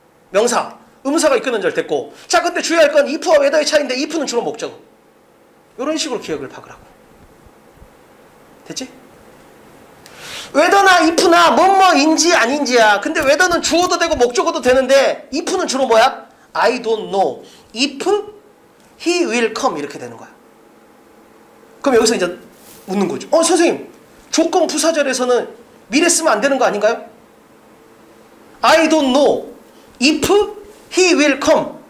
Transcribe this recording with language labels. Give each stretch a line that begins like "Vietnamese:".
Korean: 명사, 음사가 이끄는 절 됐고, 자 근데 주의할 건 if와 whether의 차이인데 if는 주로 목적어. 이런 식으로 기억을 박으라고. 됐지? whether나 if나 뭐뭐인지 아닌지야. 근데 whether는 주어도 되고 목적어도 되는데 if는 주로 뭐야?
English: I don't know if he will come
Korean: 이렇게 되는 거야. 그럼 여기서 이제 묻는 거죠. 어 선생님 조건 부사절에서는 미래 쓰면 안 되는 거 아닌가요?
English: I don't know if he will come.